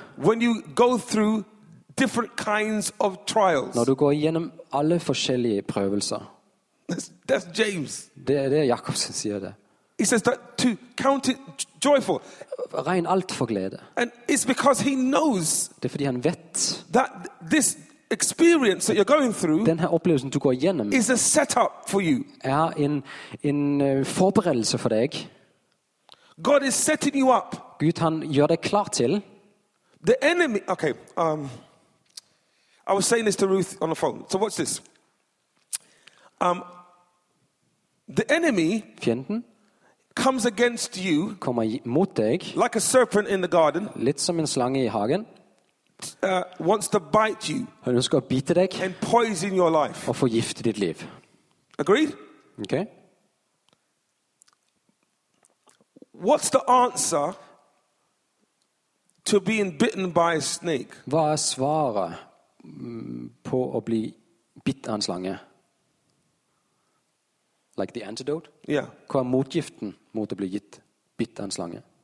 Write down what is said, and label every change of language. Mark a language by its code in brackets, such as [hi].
[en] When you go through different kinds of trials. [no] Når du går gjennom alle forskjellige prøvelser. [en] That's James. [no] Det Jakob som sier det. [en] He says that to count it joyful. [no] Regn alt for glæde. [en] And it's because he knows, [no] det fordi han vet, [en] that this experience that you're going through, [no] den her oplevelsen du går igjennom, [en] is a setup for you. [no] En forberedelse for deg. [en] God is setting you up. [no] Gud han gjør deg klar til. [en] The enemy. Okay. I was saying this to Ruth on the phone. So watch this. The enemy. [no] Fjenden. [en] Comes against you, [no] kommer mot deg, [en] like a serpent in the garden, [no] litt som en slange I hagen, [en] wants to bite you, [no] han ønsker å bite deg, [en] and poison your life, [no] og forgifte ditt liv. [en] Agreed? Okay. What's the answer to being bitten by a snake? [no] Hva svaret på å bli bitt av en slange? [en] Like the antidote? Yeah. [no] Hva motgiften mot å bli gitt bitt av en slange?